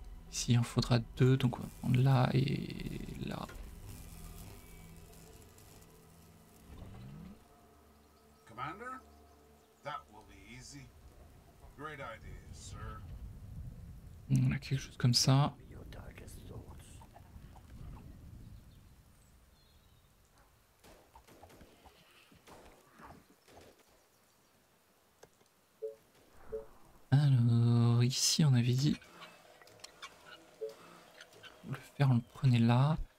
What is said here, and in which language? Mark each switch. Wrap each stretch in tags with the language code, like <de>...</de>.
<fr>Ici, il en faudra deux, donc on va prendre là et là.</fr> <en>Commander, that will be easy. Great idea, sir.</en> <fr>On a quelque chose comme ça. Alors ici on avait dit le fer on le prenait là.</fr>